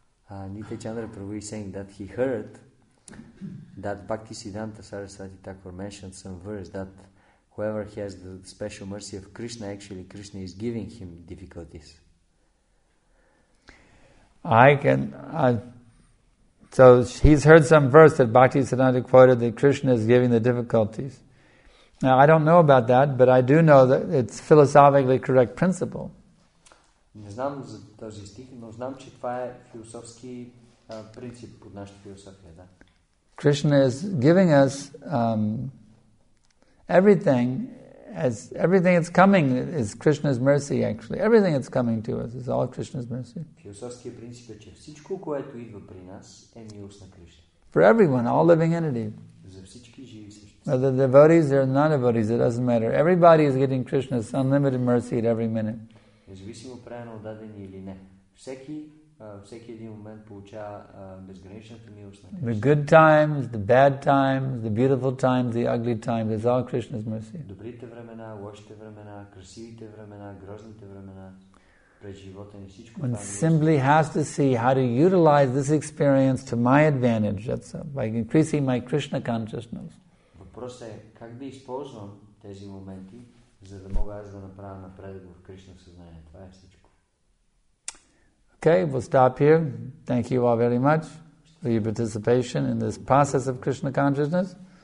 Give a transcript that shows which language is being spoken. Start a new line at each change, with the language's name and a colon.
English: Нитай Чандра Прабху is saying that he heard that Bhaktisiddhanta Sarasvati Thakur mentioned some verse that whoever has the special mercy of Krishna, actually Krishna is giving him difficulties. So he's heard some verse that Bhaktisiddhanta quoted that Krishna is giving the difficulties. Now I don't know about that, but I do know that it's philosophically correct principle.
Bulgarian: Не знам за този стих, но знам, че това е философски принцип под нашата философия, да.
English: Krishna is giving us everything. As everything that's coming is Krishna's mercy. Actually, everything that's coming to us is all Krishna's mercy.
Bulgarian: Философски принцип е, че всичко, което идва при нас, е милост на Кришна.
English: For everyone, all living entity.
Bulgarian: За всички живи същества.
English: Whether the devotees or non-devotees, it doesn't matter. Everybody is getting Krishna's unlimited mercy at every minute.
Bulgarian: Независимо правилно дадени или не. Всеки един момент получава безграничната милост на Кришна.
English: The good times, the bad times, the beautiful times, the ugly times, it's all Krishna's mercy.
Bulgarian: Добрите времена, лошите времена, красивите времена, грозните времена, през живота ни всичко това.
English: One simply has to see how to utilize this experience to my advantage, that's all, by increasing my Krishna consciousness.
Bulgarian: Въпросът е как да използвам тези моменти, за да мога аз да направя напредък в Кришна съзнание. Това е всичко.
English: Okay, we'll stop here. Thank you all very much for your participation in this process of Krishna consciousness.